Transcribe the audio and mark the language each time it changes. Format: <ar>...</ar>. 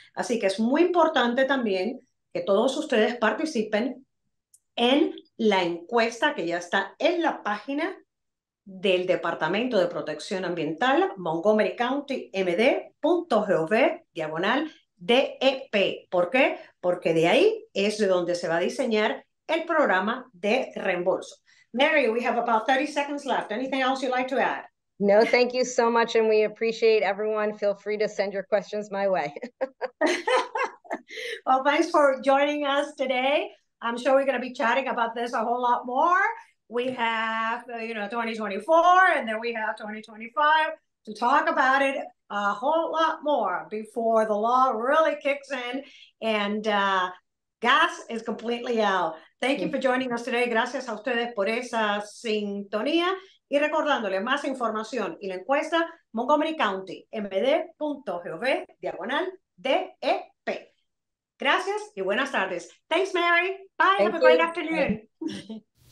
<es>Así que es muy importante también que todos ustedes participen en la encuesta que ya está en la página del Departamento de Protección Ambiental, Montgomery County, md.gov/DEP. ¿Por qué? Porque de ahí es de donde se va a diseñar el programa de reembolso.</es> <en>Mary, we have about 30 seconds left. Anything else you'd like to add? No, thank you so much, and we appreciate everyone. Feel free to send your questions my way. Well, thanks for joining us today. I'm sure we're going to be chatting about this a whole lot more. We have, 2024, and then we have 2025 to talk about it a whole lot more before the law really kicks in and gas is completely out. Thank you for joining us today.</en> <es>Gracias a ustedes por esa sintonía. Y recordándoles más información y la encuesta, Montgomery County, md.gov/DEP. Gracias y buenas tardes.</es> <en>Thanks, Mary. Bye. Thank Have a great afternoon.</en>